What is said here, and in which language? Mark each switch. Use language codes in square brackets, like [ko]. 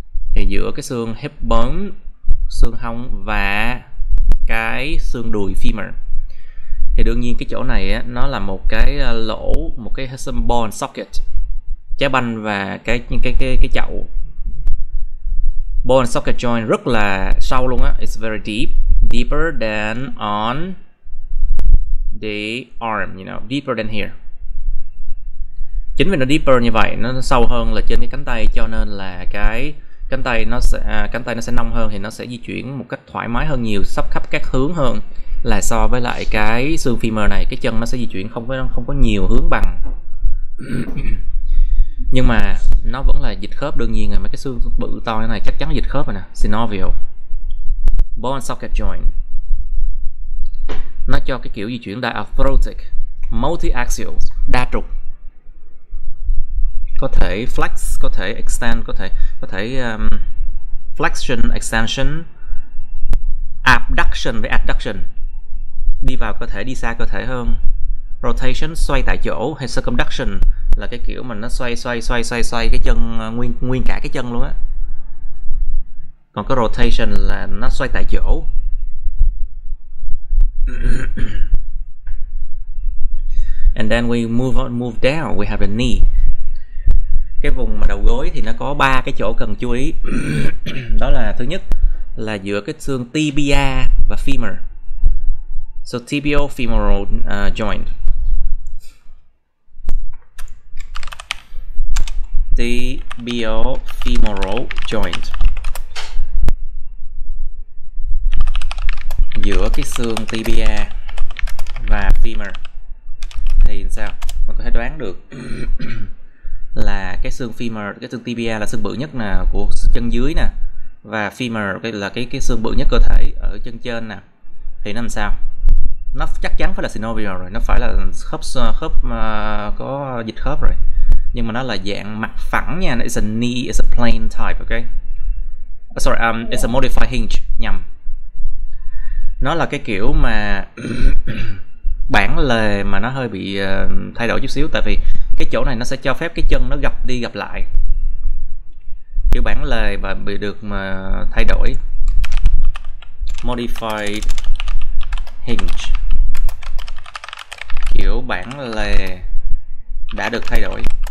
[vi] Thì giữa cái xương hip bone, xương hông và cái xương đùi femur, thì đương nhiên cái chỗ này á, nó là một cái lỗ, một cái some bone socket, trái banh và cái chậu. [en] Bone socket joint [vi] rất là sâu luôn á, [en] it's very deep, deeper than on the arm, you know, deeper than here. [vi] Chính vì nó deeper như vậy, nó sâu hơn là trên cái cánh tay, cho nên là cái cánh tay nó sẽ nông hơn, thì nó sẽ di chuyển một cách thoải mái hơn nhiều, sắp khắp các hướng hơn là so với lại cái xương femur này. Cái chân nó sẽ di chuyển không có nhiều hướng bằng, nhưng mà nó vẫn là dịch khớp đương nhiên rồi. Mấy cái xương bự to như này chắc chắn dịch khớp rồi nè. Synovial bone socket joint, nó cho cái kiểu di chuyển diarthrotic, multiaxial, đa trục, có thể flex, có thể extend, có thể flexion, extension, abduction với adduction, đi vào cơ thể, đi xa cơ thể hơn. Rotation, xoay tại chỗ, hay circumduction là cái kiểu mà nó xoay cái chân, nguyên cả cái chân luôn á. Còn cái rotation là nó xoay tại chỗ. [en] And then we move down, we have a knee. [vi] Cái vùng mà đầu gối thì nó có ba cái chỗ cần chú ý. Đó là thứ nhất là giữa cái xương tibia và femur. [en] So tibial femoral joint. Tibial femoral joint. [vi] Giữa cái xương tibia và femur. Thì sao? Mình có thể đoán được là cái xương femur, cái xương tibia là xương bự nhất nè của chân dưới nè, và femur là cái xương bự nhất cơ thể ở chân trên nè. Thì nó làm sao? nó chắc chắn phải là synovial rồi, nó phải là khớp khớp có dịch khớp rồi, nhưng mà nó là dạng mặt phẳng nha. [en] It's a knee, it's a plain type, okay? Sorry, it's a modified hinge, nhầm. [vi] Nó là cái kiểu mà bản lề mà nó hơi bị thay đổi chút xíu, tại vì cái chỗ này nó sẽ cho phép cái chân nó gập đi gập lại, kiểu bản lề và bị được mà thay đổi, modified hinge, kiểu bản lề đã được thay đổi.